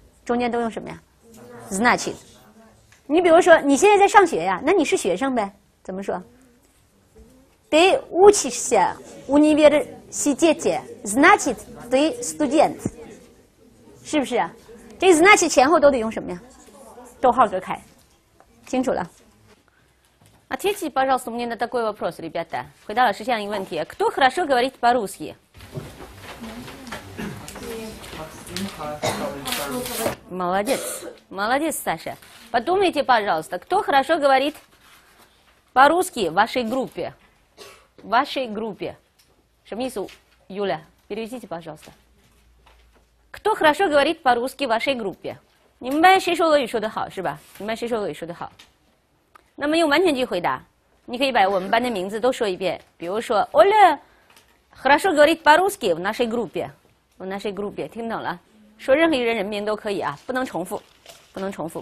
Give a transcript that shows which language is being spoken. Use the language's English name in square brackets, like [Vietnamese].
[Chinese] 中间都用什么呀 ？значит， 你比如说你现在在上学呀，那你是学生呗？怎么说 ？ [Russian] Ты учишься в университете, значит。 [Chinese] 对 ，student， 是不是？这 значит 前后都得用什么呀？逗号隔开，清楚了。 [Russian] А теперь, пожалуйста, мне на такой вопрос, ребята, [Chinese] 回答老师这样一个问题： [Russian] кто хорошо говорит по-русски？ Молодец, молодец, Саша. Подумайте, пожалуйста, кто хорошо говорит по-русски в вашей группе? В вашей группе? [Chinese] 什么意思， [Russian] Юля？ Переведите, пожалуйста. Кто хорошо говорит по-русски в вашей группе? Не понимаешь, что говорит, что хорошо, что ба? Не понимаешь, что говорит, что хорошо. [Chinese] 那么用完全句回答，你可以把我们班的名字都说一遍。比如说 ， [Russian] Оля хорошо говорит по-русски в нашей группе. В нашей группе. [Chinese] 听懂了？说任何一个人人名都可以啊，不能重复，不能重复。